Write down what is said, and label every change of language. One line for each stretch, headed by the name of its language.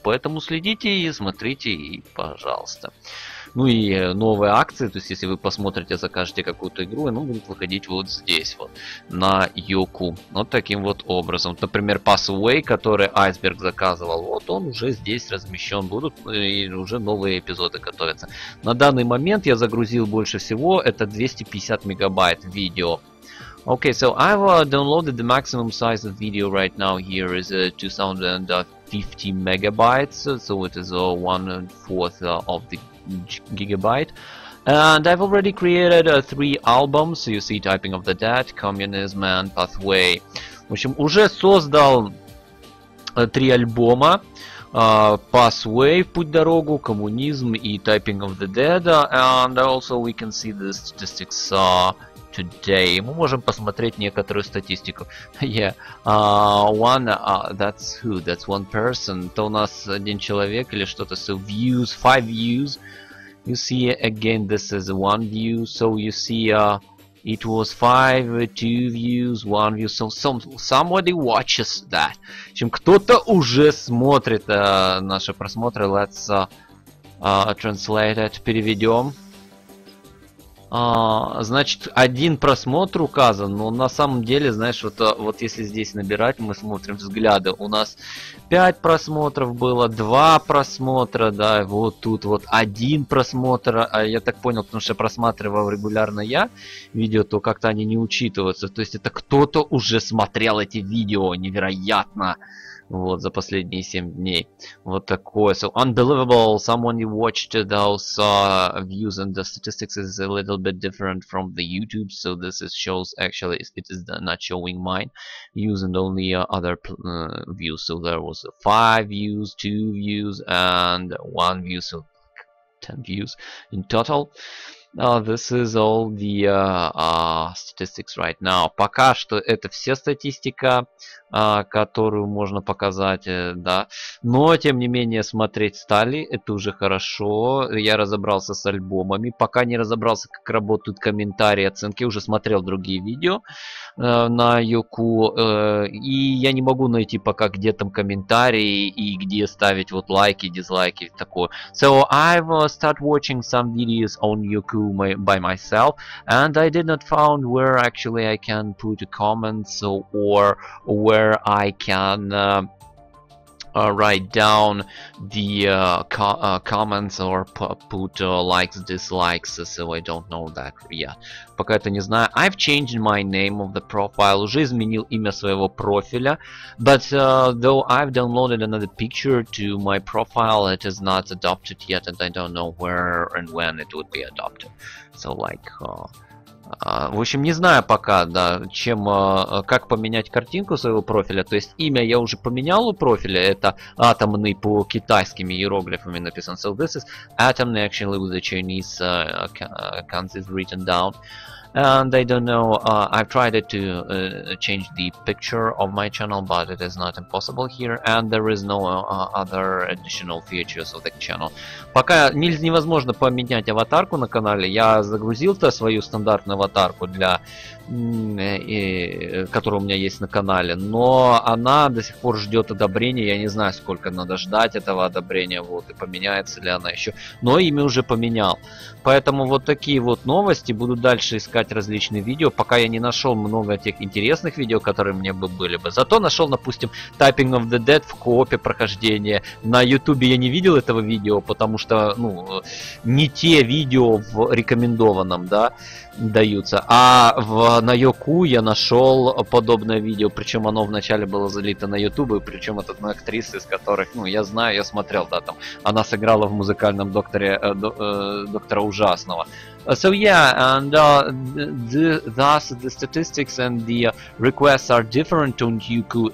Russian: Поэтому следите и смотрите, и пожалуйста. Ну и новые акции, то есть, если вы посмотрите, закажете какую-то игру, она будет выходить вот здесь, вот, на Юку. Вот таким вот образом. Например, Passway, который Айсберг заказывал, вот он уже здесь размещен, будут и уже новые эпизоды готовятся. На данный момент я загрузил больше всего, это 250 мегабайт видео.
English: Okay, so I've downloaded the maximum size of video right now here is 2050 megabytes, so it is 1/4 of the gigabyte. And I've already created 3 albums, so you see Typing of the Dead, Communism and Pathway.
Russian: В общем, уже создал 3 альбома. Passway, Путь Дорогу, Коммунизм и Typing of the Dead.
English: And also we can see the statistics today.
Russian: Мы можем посмотреть некоторую статистику.
English: Yeah, that's who? That's one person.
Russian: Это у нас один человек или что-то.
English: So views, 5 views. You see again, this is one view. So you see, it was 5, 2 views, 1 view. So somebody watches that.
Russian: В общем, кто-то уже смотрит наши просмотры.
English: Let's translate it.
Russian: Переведем. Значит, один просмотр указан, но на самом деле, знаешь, вот если здесь набирать, мы смотрим взгляды. У нас 5 просмотров было, 2 просмотра, да, вот тут вот один просмотр. А я так понял, потому что я просматривал регулярно я видео, то как-то они не учитываются. То есть это кто-то уже смотрел эти видео, невероятно. Вот, за последние 7 дней. Вот такое.
English: So, unbelievable. Someone you watched those views and the statistics is a little bit different from the YouTube. So, this is shows, actually, it is not showing mine. Views and only other views. So, there was 5 views, 2 views, and 1 view. So, 10 views in total. This is all the statistics right now.
Russian: Пока что это вся статистика, которую можно показать, да. Но, тем не менее, смотреть стали, это уже хорошо. Я разобрался с альбомами. Пока не разобрался, как работают комментарии, оценки, уже смотрел другие видео на Юку. И я не могу найти пока, где там комментарии и где ставить вот лайки, дизлайки и такое.
English: So, I've started watching some videos on Юку by myself, and I did not found where actually I can put comments or where I can write down the comments or put likes, dislikes, so I don't know that yet.
Russian: Пока это не знаю.
English: I've changed my name of the profile.
Russian: Уже изменил имя своего профиля.
English: But though I've downloaded another picture to my profile, it is not adopted yet, and I don't know where and when it would be adopted. So, like...
Russian: В общем, не знаю пока, да, чем, как поменять картинку своего профиля. То есть имя я уже поменял у профиля. Это атомный по китайскими иероглифами написан.
English: So this is atomic actually with the Chinese consonants written down. And I don't know. I've tried it to change the picture of my channel, but it is not impossible here. And there is no other additional features of the channel.
Russian: Пока невозможно поменять аватарку на канале. Я загрузил-то свою стандартную аватарку для, которая у меня есть на канале, но она до сих пор ждет одобрения. Я не знаю, сколько надо ждать этого одобрения. Вот и поменяется ли она еще. Но имя уже поменял. Поэтому вот такие вот новости. Буду дальше искать различные видео, пока я не нашел много тех интересных видео, которые мне бы были бы. Зато нашел, допустим, Typing of the Dead в коопе прохождения. На YouTube я не видел этого видео, потому что, ну, не те видео в рекомендованном, да, даются. А на Yoku я нашел подобное видео, причем оно вначале было залито на YouTube, и причем это одна актриса, из которых, ну, я знаю, я смотрел, да, там, она сыграла в музыкальном докторе Доктора Ужасного.
English: So yeah, and thus the statistics and the requests are different on Youku.